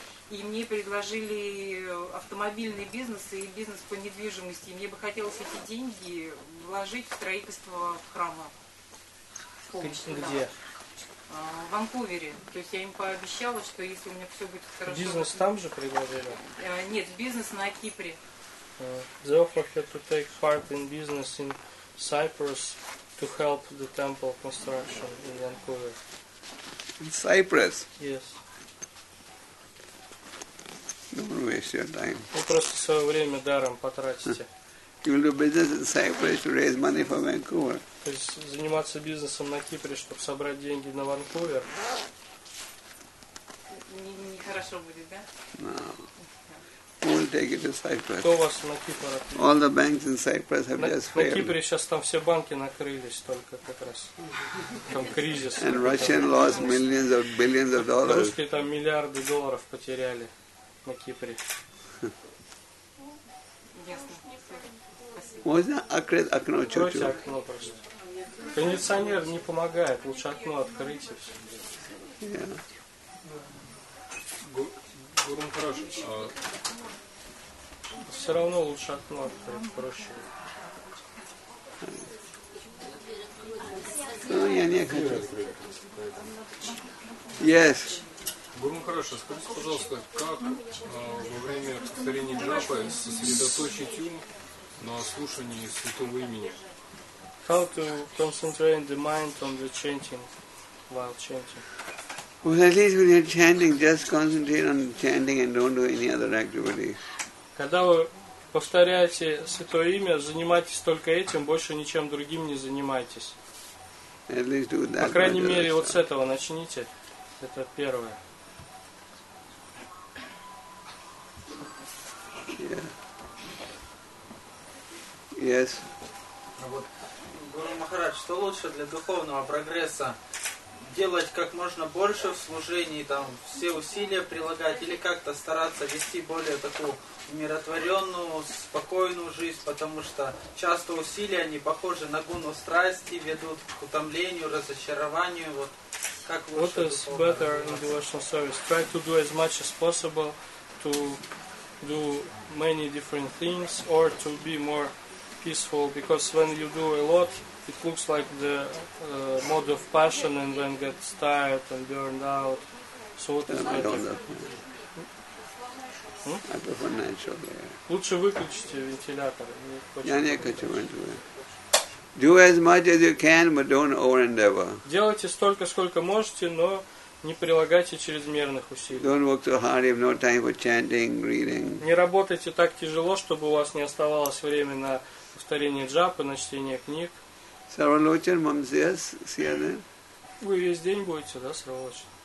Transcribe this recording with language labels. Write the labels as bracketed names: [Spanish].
[Russian] И мне предложили автомобильный бизнес и бизнес по недвижимости. И мне бы хотелось эти деньги вложить в строительство храма. Где? В Ванкувере. То есть я им пообещала, что если у меня все будет хорошо... Бизнес там же предложили? Нет, бизнес на Кипре. [English] They offered her to take part in business in Cyprus to help the temple construction in Vancouver. In Cyprus? Yes. Don't waste your time. [Russian] Вы просто свое время даром потратите. [English] You will do business in Cyprus to raise money for Vancouver. [Russian] То есть заниматься бизнесом на Кипре, чтобы собрать деньги на Ванкувер? Нехорошо будет, да? [English] No. We'll take it to Cyprus. [Russian] Кто вас на Кипр отправил? [English] All the banks in Cyprus have just failed. [Russian] На Кипре сейчас там все банки накрылись только как раз. Там кризис. [English] And Russian lost millions of billions of dollars. [Russian] Русские там миллиарды долларов потеряли на Кипре. Можно открыть окно чуть-чуть? Открыть окно просто. Кондиционер не помогает. Лучше окно открыть и все. Гурум хорошо. Все равно лучше окно открыть, проще. Ну, я не хочу. [English] Yes. [Russian] Гурум хорошо, скажите, пожалуйста, как во время повторения джапы сосредоточить ум на слушании святого имени? [English] How to concentrate the mind on the chanting while chanting? Well, at least when you're chanting, just concentrate on chanting and don't do any other activity. [Russian] Когда вы повторяете святое имя, занимайтесь только этим, больше ничем другим не занимайтесь. [English] At least do that. [Russian] По крайней мере, вот с этого начните. Это первое. [English] Yeah. Yes. [Russian] Гуру Махарадж, что лучше для духовного прогресса? Делать как можно больше в служении, там все усилия прилагать, или как-то стараться вести более такую умиротворенную, спокойную жизнь, потому что часто усилия, они похожи на гуну страсти, ведут к утомлению, разочарованию. Вот как лучше [English] What is better in devotional service? Try to do as much as possible, to do many different things, or to be more peaceful, because when you do a lot, it looks like the mode of passion, and then gets tired and burned out. So what is better? I prefer natural air. [Russian] Лучше выключите вентилятор. Я не хочу вентилятор. [English] Do as much as you can, but don't over-endeavor. [Russian] Делайте столько, сколько можете, но не прилагайте чрезмерных усилий. [English] Don't work too hard, you have no time for chanting, reading. [Russian] Не работайте так тяжело, чтобы у вас не оставалось времени на повторение джапы, на чтение книг. Сарвалочан, мам здесь, сияны? Вы весь день будете, да, Сарвалочан?